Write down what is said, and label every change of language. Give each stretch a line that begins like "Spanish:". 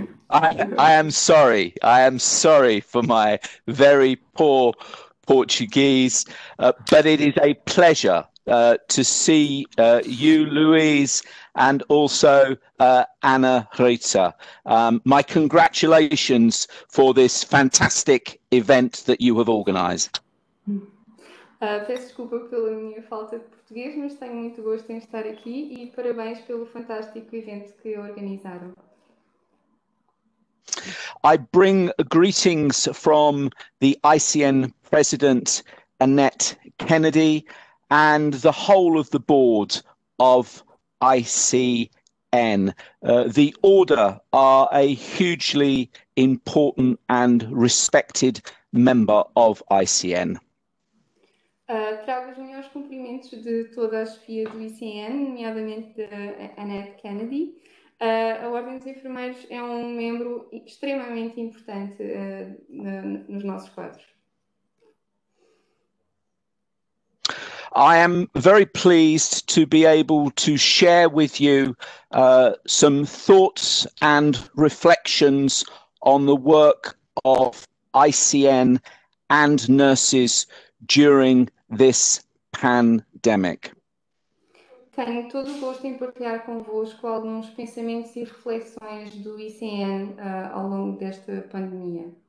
English: I am sorry for my very poor Portuguese, but it is a pleasure to see you, Louise, and also Ana Rita. My congratulations for this fantastic event that you have organized.
Portuguese: Peço desculpa pela minha falta de português, mas tenho muito gosto em estar aqui e parabéns pelo fantástico evento que organizaram.
English: I bring greetings from the ICN President Annette Kennedy and the whole of the board of ICN. The Order are a hugely important and respected member of ICN.
Portuguese: Trago os melhores cumprimentos de toda a chefia do ICN, nomeadamente de Annette Kennedy. A Ordem dos Enfermeiros é um membro extremamente importante nos nossos quadros.
English: I am very pleased to be able to share with you some thoughts and reflections on the work of ICN and nurses during this pandemic.
Portuguese: Tenho todo o gosto em partilhar convosco alguns pensamentos e reflexões do ICN ao longo desta pandemia.